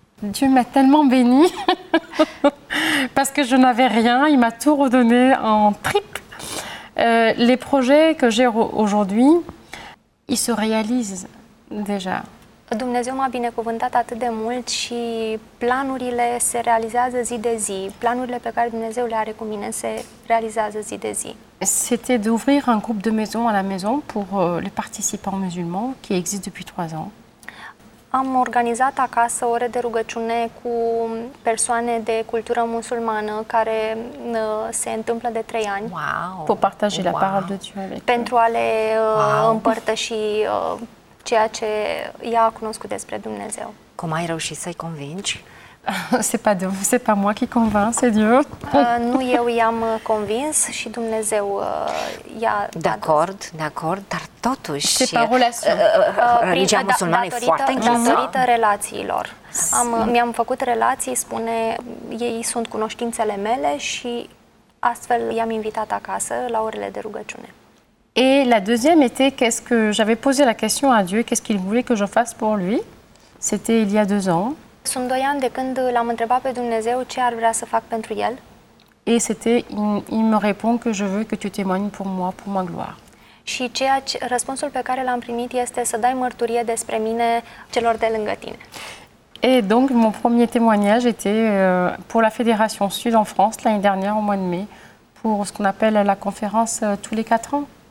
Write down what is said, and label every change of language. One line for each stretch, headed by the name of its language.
French: Dieu m'a tellement béni parce que je n'avais rien, il m'a tout redonné en trip. Les projets que j'ai aujourd'hui, ils se réalisent déjà.
Romanian: Dumnezeu m-a binecuvântat atât de mult și planurile se realizează zi de zi. Planurile pe care Dumnezeu le are cu mine se realizează zi de zi.
French: C'était d'ouvrir un groupe de maison à la maison pour les participants musulmans qui existe depuis 3 ans.
Romanian: Am organizat acasă ore de rugăciune cu persoane de cultură musulmană care se întâmplă de 3 ani. Wow.
French: Pour partager la parole de Dieu avec
Romanian: pentru a le împărtăși ceea ce ea a cunoscut despre Dumnezeu. Cum ai reușit să-i convingi?
French: C'est pas moi qui convainc, c'est Dieu.
Romanian: Nu eu i-am convins și Dumnezeu i-a...
French: D'accord, d'accord,
Romanian: dar totuși...
French: C'est pas
Romanian: religia musulmană e foarte închisă. Datorită relațiilor. Mi-am făcut relații, spune, ei sunt cunoștințele mele și astfel i-am invitat acasă la orele de rugăciune.
French: Et la deuxième était qu'est-ce que j'avais posé la question à Dieu, qu'est-ce qu'il voulait que je fasse pour lui? C'était il y a 2 ans.
Romanian: Sunt 2 ani de când l-am întrebat pe Dumnezeu ce ar vrea să fac pentru el.
French: Et c'était il me répond que je veux que tu témoignes pour moi, pour ma gloire.
Romanian: Și răspunsul pe care l-am primit este să dai mărturie despre mine celor de lângă tine.
French: Et donc mon premier témoignage était pour la Fédération Sud en France l'année dernière au mois de mai pour ce qu'on appelle la conférence tous les 4 ans.